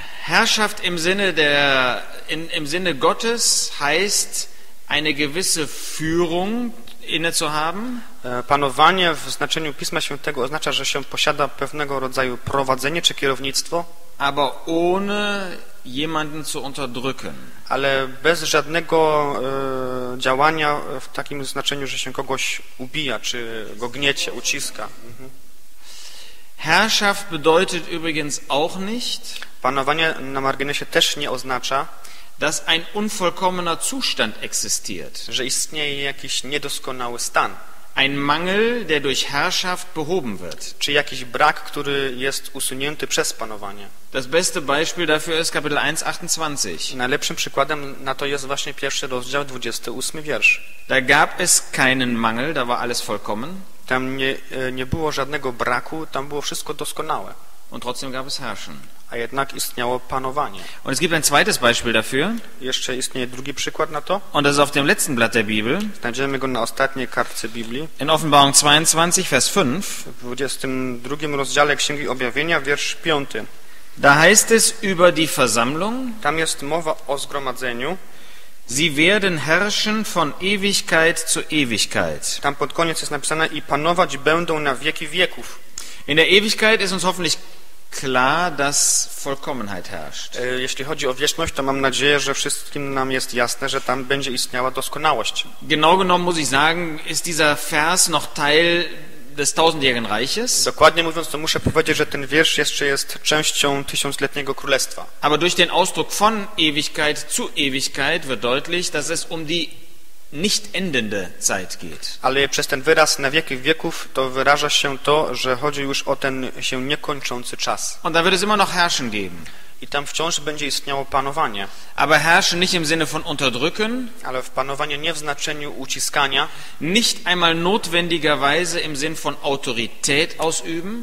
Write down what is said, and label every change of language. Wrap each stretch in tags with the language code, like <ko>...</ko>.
<de>Herrschaft im Sinne der im Sinne Gottes heißt eine gewisse Führung inne zu haben.</de> <pl>Panowanie w znaczeniu Pisma Świętego oznacza, że się posiada pewnego rodzaju prowadzenie czy kierownictwo.</pl> <de>Aber ohne jemanden zu unterdrücken.</de> <pl>Ale bez żadnego działania w takim znaczeniu, że się kogoś ubija, czy go gniecie, uciska.</pl> <de>Herrschaft bedeutet übrigens auch nicht,</de> <pl>panowanie na marginesie też nie oznacza,</pl> <de>dass ein unvollkommener Zustand existiert,</de> <pl>że istnieje jakiś niedoskonały stan,</pl> <de>ein Mangel, der durch Herrschaft behoben wird,</de> <pl>czy jakiś brak, który jest usunięty przez panowanie.</pl> <de>Das beste Beispiel dafür ist Kapitel 1, 28.</de> <pl>Najlepszym przykładem na to jest właśnie pierwszy rozdział, 28 wiersz.</pl> <de>Da gab es keinen Mangel, da war alles vollkommen.</de> <pl>Tam nie było żadnego braku, tam było wszystko doskonałe.</pl> <de>Und trotzdem gab es Herrschen.</de> <pl>A jednak istniało panowanie.</pl> <de>Und es gibt ein zweites Beispiel dafür.</de> <pl>Jeszcze istnieje drugi przykład na to.</pl> <de>Und das ist auf dem letzten Blatt der Bibel.</de> <pl>Znajdziemy go na ostatniej kartce Biblii.</pl> <de>In Offenbarung 22, Vers 5.</de> <pl>W 22 rozdziale Księgi Objawienia, wiersz 5.</pl> <de>Da heißt es über die Versammlung.</de> <pl>Tam jest mowa o zgromadzeniu.</pl> <de>Sie werden herrschen von Ewigkeit zu Ewigkeit.</de> <pl>Tam pod koniec jest napisane i panować będą na wieki wieków.</pl> <de>In der Ewigkeit ist uns hoffentlich klar, dass Vollkommenheit herrscht.</de> <pl>Jeśli chodzi o wieczność, to mam nadzieję, że wszystkim nam jest jasne, że tam będzie istniała doskonałość.</pl> <de>Genau genommen muss ich sagen, ist dieser Vers noch Teil des tausendjährigen Reiches.</de> <pl>Dokładnie mówiąc, to muszę powiedzieć, że ten wiersz jeszcze jest częścią tysiącletniego królestwa.</pl> <de>Aber durch den Ausdruck von Ewigkeit zu Ewigkeit wird deutlich, dass es um die nicht endende Zeit geht.</de> <pl>Ale przez ten wyraz na wieki wieków to wyraża się to, że chodzi już o ten się niekończący czas.</pl> <de>Und da wird es immer noch herrschen geben.</de> <pl>I tam wciąż będzie istniało panowanie.</pl> <de>Aber herrschen nicht im Sinne von unterdrücken.</de> <pl>Ale w panowanie nie w znaczeniu uciskania.</pl> <de>Nicht einmal notwendigerweise im Sinne von Autorität ausüben.</de>